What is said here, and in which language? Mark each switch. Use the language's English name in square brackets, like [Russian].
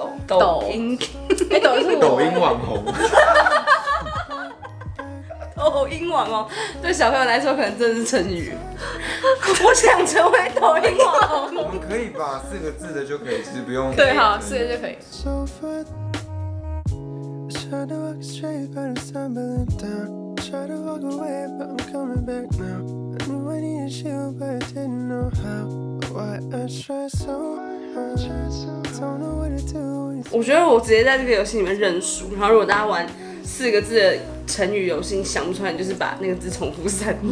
[Chinese] 抖音抖音，抖音网红，抖音网红对小朋友来说可能真的是成语。我想成为抖音网红。我们可以吧，四个字的就可以，其实不用。对，好，四个就可以。 [English] Try to walk straight, but I'm stumbling down. Try to walk away, but I'm coming back now. I knew I needed you, but I didn't know how. Why I tried so hard, don't know what to do. [Chinese] 我觉得我直接在这个游戏里面认输。然后如果大家玩四个字的成语游戏，你想不出来，你就是把那个字重复三遍。